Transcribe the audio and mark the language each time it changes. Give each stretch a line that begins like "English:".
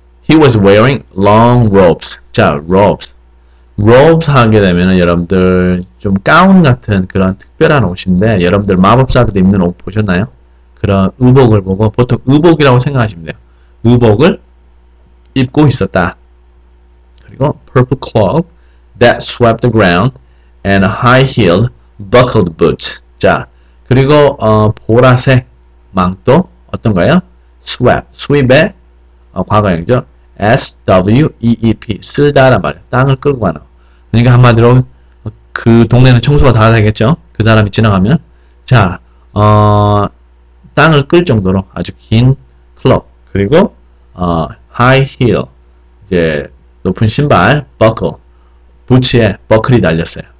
English: He was wearing long robes. 자, robes.
Korean: Robes 하게 되면은 여러분들 좀 가운 같은 그런 특별한 옷인데 여러분들 마법사들이 입는 옷 보셨나요? 그런 의복을 보고 보통 의복이라고 생각하시면 돼요. 의복을 입고 있었다.
English: 그리고 purple cloak that swept the ground and high-heeled buckled boots.
Korean: 자, 그리고 보라색 망토 어떤가요? sweep의 과거형이죠. s-w-e-e-p 쓸다란 말이에요. 땅을 끌고 가는. 그러니까 한마디로 그 동네는 청소가 다 되겠죠. 그 사람이 지나가면. 자, 땅을 끌 정도로 아주 긴 클럽 그리고 high heel 이제 높은 신발 buckle 부츠에 버클이 달렸어요.